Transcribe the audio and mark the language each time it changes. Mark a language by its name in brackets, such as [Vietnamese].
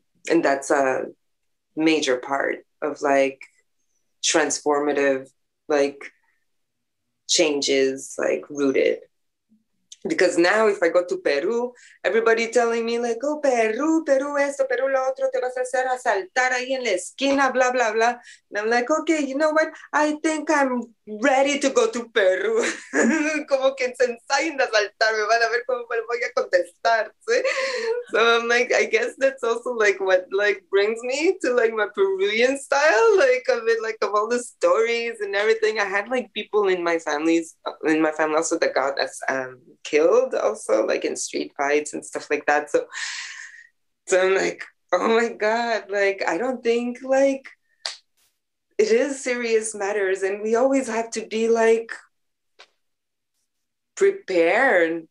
[English] And that's a major part of like transformative, like changes, like rooted. Because now if I go to Peru, everybody telling me like, oh, Peru, [Spanish] Peru esto, Peru lo otro, te vas a hacer asaltar ahí en la esquina, [English] blah, blah, blah. And I'm like, okay, you know what? I think I'm ready to go to Peru. [Spanish] Como que se ensayan de asaltar, me van a ver cómo me voy a contestar, ¿sí? [English] So I'm like, I guess that's also like what like brings me to like my Peruvian style, like a bit like of all the stories and everything. I had like people in my family also that got us killed also like in street fights and stuff like that. So I'm like, oh my God, like, I don't think like it is serious matters and we always have to be like prepared.